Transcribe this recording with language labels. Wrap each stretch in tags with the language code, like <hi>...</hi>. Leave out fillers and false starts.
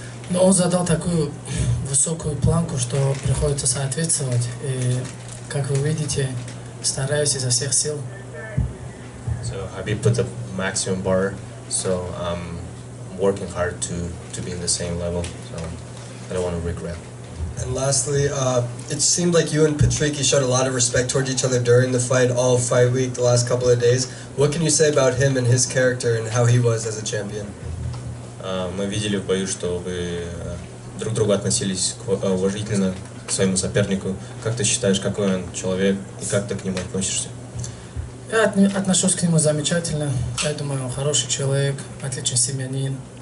<ru>Но он задал такую высокую планку, что приходится соответствовать. И, как вы видите, стараюсь изо всех сил.</ru> <en>So Habib put the maximum bar, so I'm working hard to be in the same level. So I don't want to regret. And lastly, it seemed like you and Patrick showed a lot of respect towards each other during the fight, all fight week, the last couple of days. What can you say about him and his character and how he was as a champion?</en> <ru>Мы видели в бою, что вы друг к другу относились уважительно к своему сопернику. Как ты считаешь, какой он человек и как ты к нему относишься? Я отношусь к нему замечательно. Я думаю, он хороший человек, отличный семьянин.</ru>